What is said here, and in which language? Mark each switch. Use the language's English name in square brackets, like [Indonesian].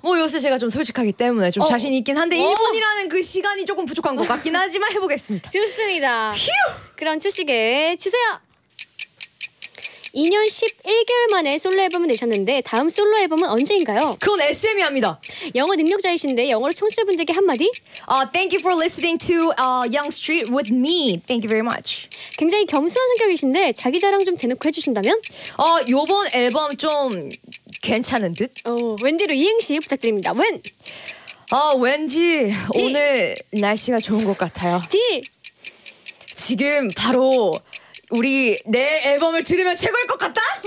[Korean] 뭐 요새 제가 좀 솔직하기 때문에 좀 자신 있긴 한데 1분이라는 그 시간이 조금 부족한 것 같긴 하지만 해보겠습니다. 좋습니다. 휴! 그럼 출시계 치세요. 2년 11개월 만에 솔로 앨범을 내셨는데 다음 솔로 앨범은 언제인가요? 그건 SM이 합니다. 영어 능력자이신데 영어로 청취자분들께 한마디? [English] Thank you for listening to Young Street with me. Thank you very much. [Korean] 굉장히 겸손한 성격이신데 자기 자랑 좀 대놓고 해주신다면? 요번 앨범 좀 괜찮은 듯? 웬디로 이행시 부탁드립니다. 웬? 왠지 오늘 날씨가 좋은 것 같아요. 디! 지금 바로 우리 내 앨범을 들으면 최고일 것 같다?